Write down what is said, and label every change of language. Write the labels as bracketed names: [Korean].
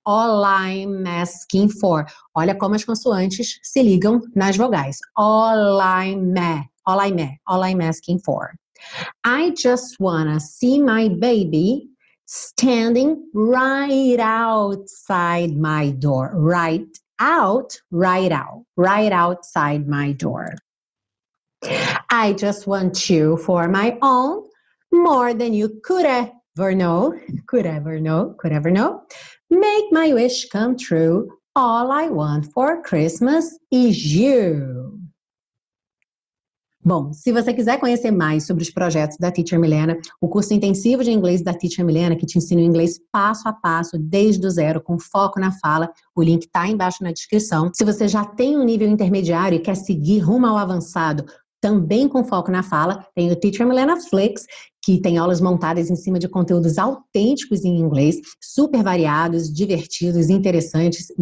[English] All I'm asking for. [Portuguese] Olha como as consoantes se ligam nas vogais. [English] All I'm, all I'm, all I'm asking for. I just wanna see my baby standing right outside my door. Right out, right out, right outside my door. I just want you for my own, more than you could ever know, could ever know, could ever know. Make my wish come true. All I want for Christmas is you. [Portuguese] Bom, se você quiser conhecer mais sobre os projetos da Teacher Milena, o curso intensivo de inglês da Teacher Milena, que te ensina o inglês passo a passo, desde o zero, com foco na fala, o link está aí embaixo na descrição. Se você já tem um nível intermediário e quer seguir rumo ao avançado, também com foco na fala, tem o Teacher Milena Flix, que tem aulas montadas em cima de conteúdos autênticos em inglês, super variados, divertidos, interessantes.